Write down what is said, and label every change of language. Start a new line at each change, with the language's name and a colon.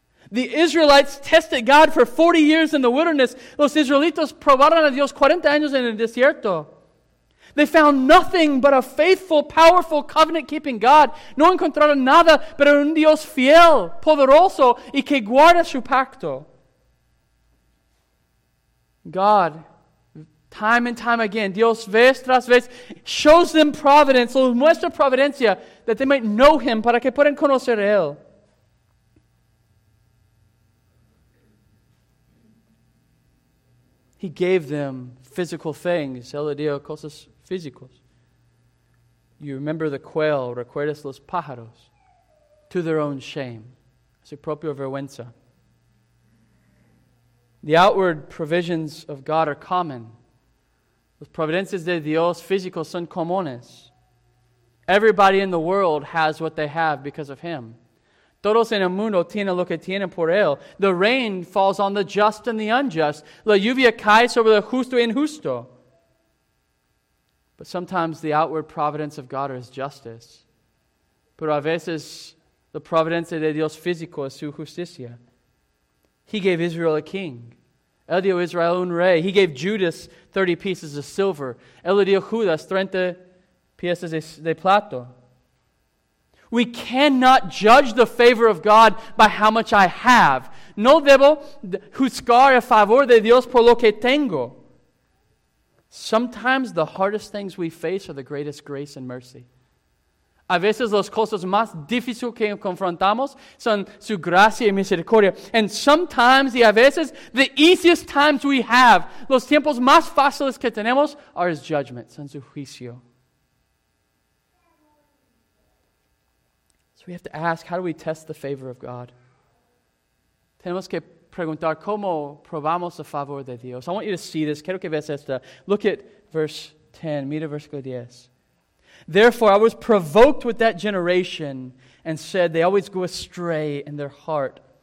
English: The Israelites tested God for 40 years in the wilderness.
Spanish: Los israelitos probaron a Dios 40 años en el desierto.
English: They found nothing but a faithful, powerful, covenant-keeping God.
Spanish: No encontraron nada, pero un Dios fiel, poderoso, y que guarda su pacto.
English: God, time and time again,
Spanish: Dios vez tras vez,
English: shows them providence,
Spanish: los muestra providencia,
English: that they might know him,
Spanish: para que puedan conocer a él.
English: He gave them physical things.
Spanish: Él le dio cosas físicas.
English: You remember the quail,
Spanish: recuerdas los pájaros,
English: to their own shame,
Spanish: su propia vergüenza.
English: The outward provisions of God are common.
Spanish: Los providencias de Dios físicos son comunes.
English: Everybody in the world has what they have because of him.
Spanish: Todos en el mundo tienen lo que tienen por él.
English: The rain falls on the just and the unjust.
Spanish: La lluvia cae sobre el justo e injusto.
English: But sometimes the outward providence of God is justice.
Spanish: Pero a veces la providencia de Dios físico es su justicia.
English: He gave Israel a king.
Spanish: Él dio Israel un rey.
English: He gave Judas 30 pieces of silver.
Spanish: Él dio Judas 30 piezas de plata.
English: We cannot judge the favor of God by how much I have.
Spanish: No debo juzgar el favor de Dios por lo que tengo.
English: Sometimes the hardest things we face are the greatest grace and mercy.
Spanish: A veces las cosas más difíciles que confrontamos son su gracia y misericordia.
English: And sometimes,
Spanish: y a veces,
English: the easiest times we have,
Spanish: los tiempos más fáciles que tenemos,
English: are his judgment,
Spanish: son su juicio.
English: So we have to ask, how do we test the favor of God?
Spanish: Tenemos que preguntar, ¿cómo probamos el favor de Dios?
English: I want you to see this.
Spanish: Quiero que veas esto.
English: Look at verse 10.
Spanish: Mira versículo 10.
English: Therefore, I was provoked with that generation and said, they always go astray in their heart.